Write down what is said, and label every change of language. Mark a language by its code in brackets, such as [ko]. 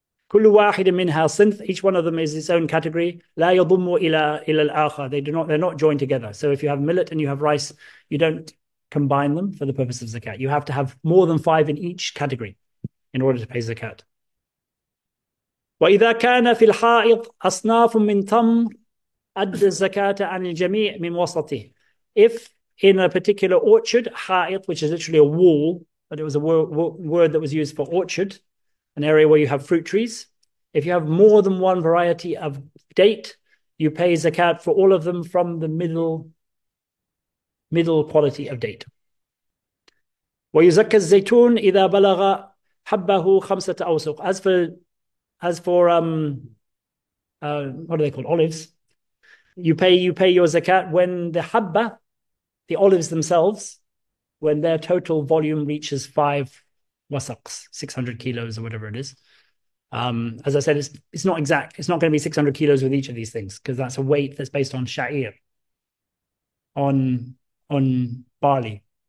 [ar] Kullu wahid minha sinth, [en] each one of them is its own category. [ar] La yadhummu ila al-akhar. [en] They're not joined together. So if you have millet and you have rice, you don't combine them for the purpose of zakat. You have to have more than five in each category in order to pay zakat. [ar] وإذا كان في الحائط أصناف من تمر أدى الزكاة عن الجميع من وسطه. [en] If in a particular orchard, حائط, which is literally a wall, but it was a word that was used for orchard, an area where you have fruit trees. If you have more than one variety of date, you pay zakat for all of them from the middle quality of date. [ar] ويزكى الزيتون إذا بلغ حبه خمسة أوسق. [en] What are they called? Olives. You pay your zakat when the habba, the olives themselves, when their total volume reaches five wasaqs, 600 kilos or whatever it is. As I said, it's not exact. It's not going to be 600 kilos with each of these things because that's a weight that's based on sha'ir, on barley.